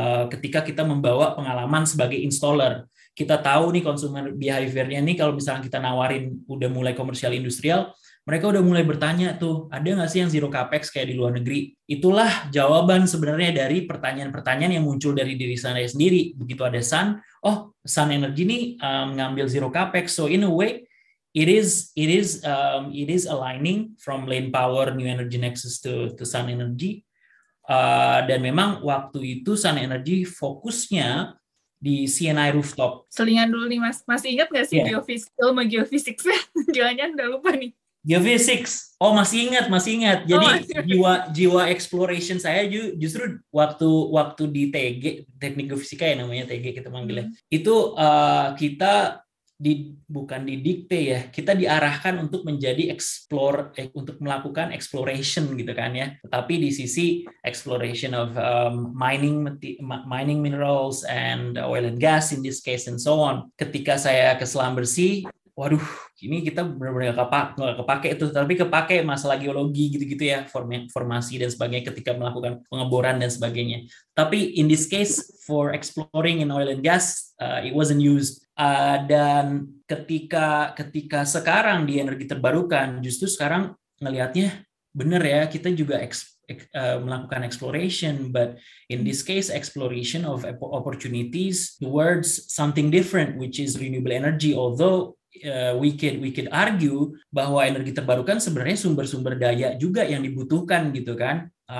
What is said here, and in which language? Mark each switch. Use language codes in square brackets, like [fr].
[id] Ketika kita membawa pengalaman sebagai installer, kita tahu nih consumer behaviornya nih, kalau misalkan kita nawarin udah mulai komersial industrial, mereka udah mulai bertanya tuh, ada nggak sih yang zero capex kayak di luar negeri? Itulah jawaban sebenarnya dari pertanyaan-pertanyaan yang muncul dari diri saya sendiri. Begitu ada Sun, oh Sun Energy nih ngambil zero capex. [en] So in a way, it is aligning from Lempower, New Energy Nexus to Sun Energy. [id] Dan memang waktu itu Sun Energy fokusnya di CNI rooftop. Selingan dulu nih Mas, masih ingat nggak sih geofisikal sama geofisiknya? Jangan-jangan udah lupa nih. Geophysics, oh masih ingat. Jadi jiwa exploration saya justru waktu di TG, teknik geofisika ya namanya, TG kita manggilnya, itu kita bukan didikte ya, kita diarahkan untuk menjadi untuk melakukan exploration gitu kan ya. Tapi di sisi [en] exploration of mining minerals and oil and gas in this case and so on. [id] Ketika saya ke Selam Bersih, waduh, ini kita benar-benar nggak kepake itu, tapi kepake masalah geologi gitu-gitu ya, formasi dan sebagainya ketika melakukan pengeboran dan sebagainya. [en] Tapi in this case, for exploring in oil and gas, it wasn't used. [id] Dan ketika sekarang di energi terbarukan, justru sekarang ngelihatnya benar ya, kita juga melakukan exploration, [en] but in this case exploration of opportunities towards something different, which is renewable energy, although we could argue [id] bahwa energi terbarukan sebenarnya sumber-sumber daya juga yang dibutuhkan gitu kan.